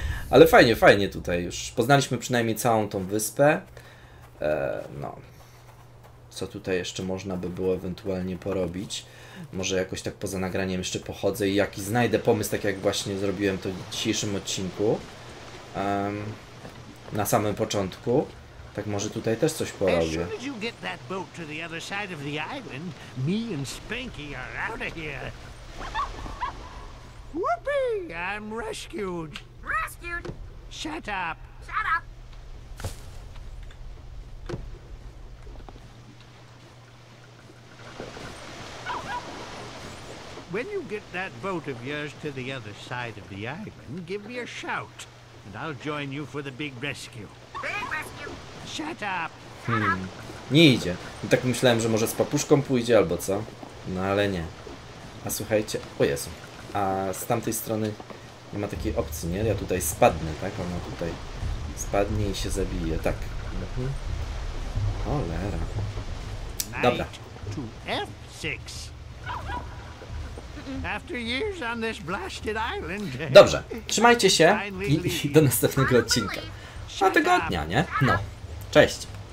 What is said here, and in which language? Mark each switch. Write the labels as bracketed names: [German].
[Polish] Ale fajnie, fajnie tutaj. Już poznaliśmy przynajmniej całą tą wyspę. No. Co tutaj jeszcze można by było ewentualnie porobić? Może jakoś tak poza nagraniem jeszcze pochodzę i jakiś znajdę pomysł, tak jak właśnie zrobiłem to w dzisiejszym odcinku. Na samym początku. Tak może tutaj też coś porobię. [English] As soon as you get that boat to the other side of the island, me and Spanky are out of here. Whoopee! I'm rescued. Rescued? Shut up. Shut up. When you get that boat of yours to the other side of the island, give me a shout, and I'll join you for the big rescue. Big rescue. Shut up. [Polish] Nie idzie. I tak myślałem, że może z papuszką pójdzie albo co. No ale nie. A słuchajcie, o Jezu. A z tamtej strony nie ma takiej opcji, nie? Ja tutaj spadnę, tak? Ona tutaj spadnie i się zabije. Tak. Cholera. Dobra. To F6. [English] After years on this blasted island. [Polish] Dobrze. Trzymajcie się i do następnego odcinka. A tygodnia, nie? No. Cześć!